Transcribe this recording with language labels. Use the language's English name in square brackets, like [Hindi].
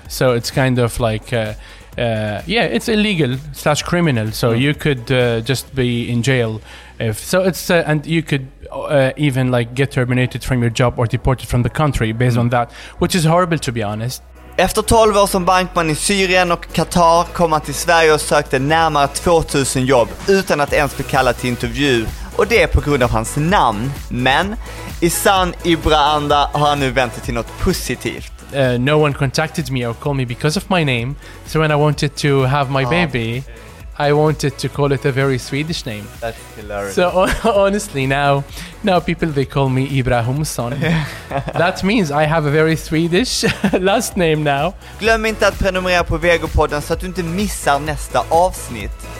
[English] So it's kind of like, it's illegal / criminal. So you could just be in jail. And you could even like get terminated from your job or deported from the country based on that, which is horrible to be honest. [Swedish] Efter 12 år som bankman i Syrien och Qatar kom han till Sverige och sökte närmare 2000 jobb utan att ens bli kallad till intervju. Och det är på grund av hans namn. Men i sann Ibra-anda har han nu vänt till något positivt. [English] No one contacted me or called me because of my name. So when I wanted to have my baby, I wanted to call it a very Swedish name. That's hilarious. So honestly, now people, they call me Ibra Hummuson. That means I have a very Swedish last name now. [Swedish] Glöm inte att prenumerera på Vegopodden så att du inte missar nästa avsnitt.